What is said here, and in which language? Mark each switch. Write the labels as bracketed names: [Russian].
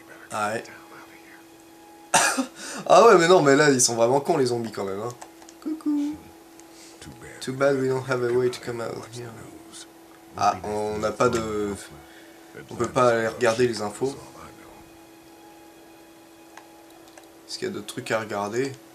[French] Ah ouais. Ah ouais, mais non, mais là ils sont vraiment cons les zombies quand même, hein. Coucou. [English] Too bad we don't have a way to come out. [French] Ah, on n'a pas de... On peut pas aller regarder les infos. Est-ce qu'il y a d'autres trucs à regarder?